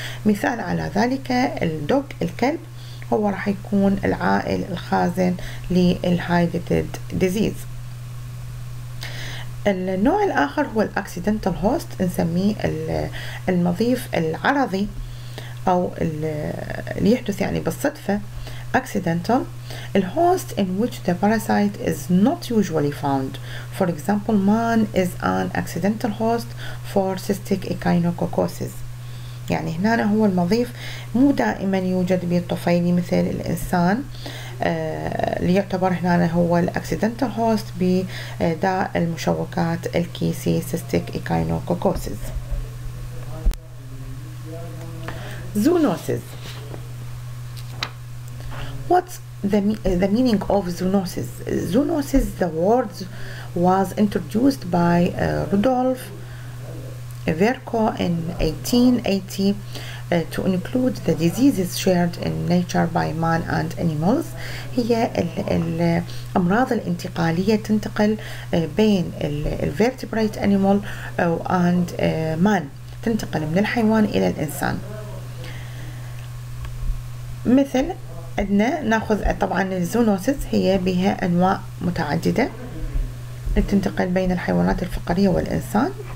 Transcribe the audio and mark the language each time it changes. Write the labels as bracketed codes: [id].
[ar] مثال على ذلك الدوغ الكلب هو راح يكون العائل الخازن للهايدتد ديزيز. النوع الآخر هو الأكسيدنتال هوست، نسميه المضيف العرضي أو اللي يحدث يعني بالصدفة. [en] Accidental, a host in which the parasite is not usually found. For example, man is an accidental host for cystic echinococcosis. [ar] يعني هنا هو المضيف مو دائما يوجد بالطفيلي مثل الإنسان اللي يعتبر هنا هو accidental host بداء المشوكات الكيسي cystic echinococcosis. [en] Zoonosis. What's the meaning of zoonosis? Zoonosis, the word was introduced by Rudolf Virchow in 1880 to include the diseases shared in nature by man and animals. [ar] هي الأمراض الانتقالية تنتقل بين [en] vertebrate animal and man، [ar] تنتقل من الحيوان إلى الإنسان. مثل عندنا ناخذ طبعا الزونوسيس هي بها انواع متعدده تنتقل بين الحيوانات الفقريه والانسان.